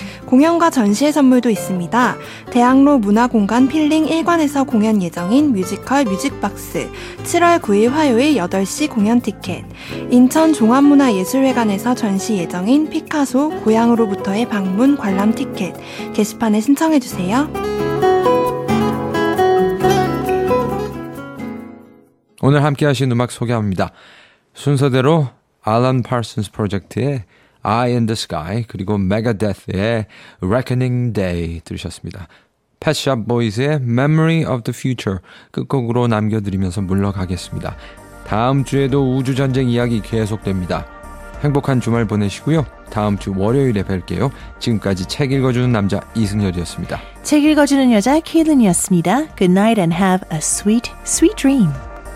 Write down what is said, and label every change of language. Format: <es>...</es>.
<ko>공연과 전시의 선물도 있습니다. 대학로 문화공간 필링 1관에서 공연 예정인 뮤지컬 뮤직박스, 7월 9일 화요일 8시 공연 티켓, 인천 종합문화예술회관에서 전시 예정인 피카소 고향으로부터의 방문 관람 티켓, 게시판에 신청해주세요. 오늘 함께 하신 음악 소개합니다. 순서대로 Alan Parsons Project의 Eye in the Sky, 그리고 Megadeth의 Reckoning Day 들으셨습니다. Pet Shop Boys의 Memory of the Future 끝곡으로 남겨드리면서 물러가겠습니다. 다음 주에도 우주전쟁 이야기 계속됩니다. 행복한 주말 보내시고요. 다음 주 월요일에 뵐게요. 지금까지 책 읽어주는 남자 이승열이었습니다.</ko> <en>책 읽어주는 여자 케일린이었습니다. Good night and have a sweet, sweet dream.</en>